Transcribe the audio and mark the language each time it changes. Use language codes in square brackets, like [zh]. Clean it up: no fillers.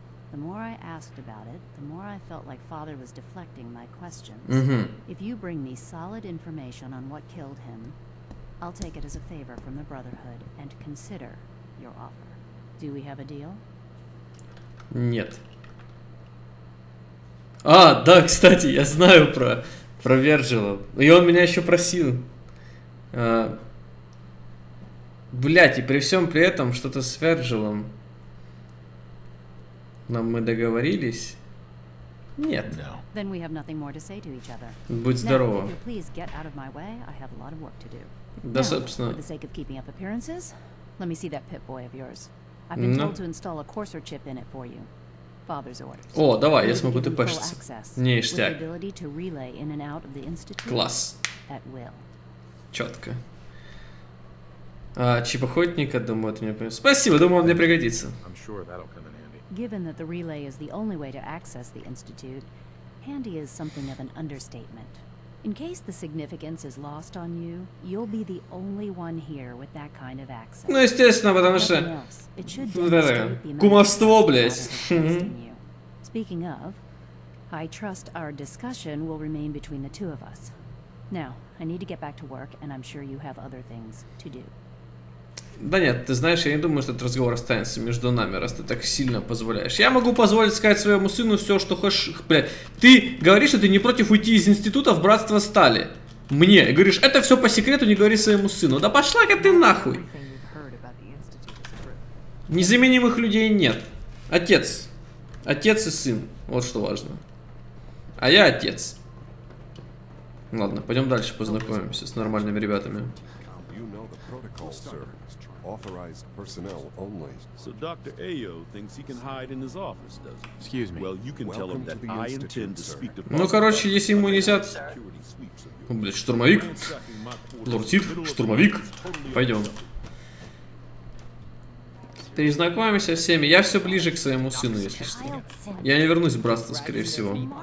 [en] The more I asked about it, the more I felt like Father was deflecting my questions. Mm-hmm. If you bring me solid information on what killed him, I'll take it as a favor from the Brotherhood and consider your offer. Do we have a deal? [ru] Нет. А, да, кстати, я знаю про Вирджила. И он меня еще просил. Блять, и при всем при этом что-то с Вирджилом. Нам мы договорились? Нет. [en] Then we have nothing more to say to each other. [ru] Будь здорово. [en] Now, please get out of my way. I have a lot of work to do. [ru] Да, собственно. [en] For the sake of keeping up appearances, let me see that pit boy of yours. I've been told to install a coarser chip in it for you. Father's orders. [ru] О, давай, я смогу тпшиться. Ништяк. [en] Ability to relay in and out of the institute. [ru] Класс. [en] At will. [ru] Четко. А, чип охотника, думаю, это мне пригодится. Спасибо, думаю, он мне пригодится. [en] I'm sure that'll come in handy. Given that the relay is the only way to access the institute, handy is something of an understatement. In case the significance is lost on you, you'll be the only one here with that kind of access. [ru] Ну, естественно, потому что... [en] It should [ru] кумовство, блядь. [en] Speaking of, I trust our discussion will remain between the two of us. Now, I need to get back to work, and I'm sure you have other things to do. [ru] Да нет, ты знаешь, я не думаю, что этот разговор останется между нами, раз ты так сильно позволяешь. Я могу позволить сказать своему сыну все, что хочешь. Бля, ты говоришь, что ты не против уйти из института в Братство Стали. Мне. И говоришь, это все по секрету, не говори своему сыну. Да пошла-ка ты нахуй. Незаменимых людей нет. Отец. Отец и сын. Вот что важно. А я отец. Ладно, пойдем дальше, познакомимся с нормальными ребятами. [en] Authorized personnel only. So Dr. Ayo thinks he can hide in his office, does he? Excuse me. Well, you can tell him that I intend to speak to. [ru] Ну, короче, если ему нельзя. О, блядь, штурмовик. Лорд Сид, штурмовик. Пойдем. Перезнакомимся всеми. Я все ближе к своему сыну, если что. Я не вернусь в братство, скорее всего.